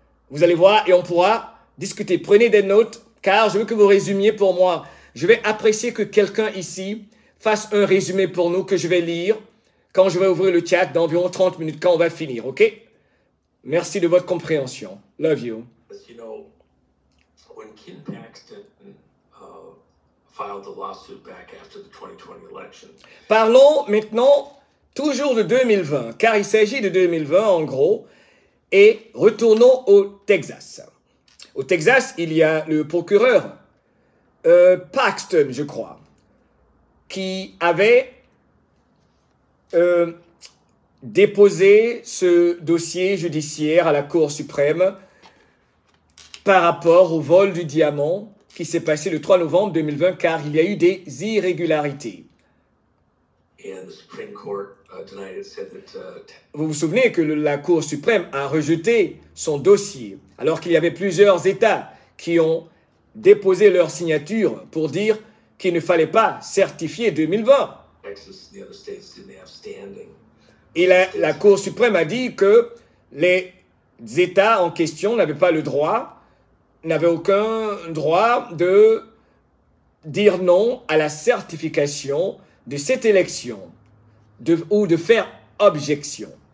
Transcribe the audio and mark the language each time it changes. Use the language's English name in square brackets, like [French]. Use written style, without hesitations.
[French] Vous allez voir et on pourra discuter. Prenez des notes car je veux que vous résumiez pour moi. Je vais apprécier que quelqu'un ici fasse un résumé pour nous que je vais lire quand je vais ouvrir le chat dans environ 30 minutes quand on va finir, ok? Merci de votre compréhension. [English] Love you. As you know, when Ken Paxton filed the lawsuit back after the 2020 election. [French] Parlons maintenant toujours de 2020, car il s'agit de 2020 en gros, et retournons au Texas. Au Texas, il y a le procureur Paxton, je crois, qui avait déposé ce dossier judiciaire à la Cour suprême par rapport au vol du diamant qui s'est passé le 3 novembre 2020, car il y a eu des irrégularités. [English] And the Supreme Court denied it, said that, [French] vous vous souvenez que la Cour suprême a rejeté son dossier, alors qu'il y avait plusieurs États qui ont déposé leur signature pour dire qu'il ne fallait pas certifier 2020. [English] Texas, the other states didn't have standing. [French] Et la Cour suprême a dit que les États en question n'avaient pas le droit, n'avaient aucun droit de dire non à la certification de cette élection ou de faire objection.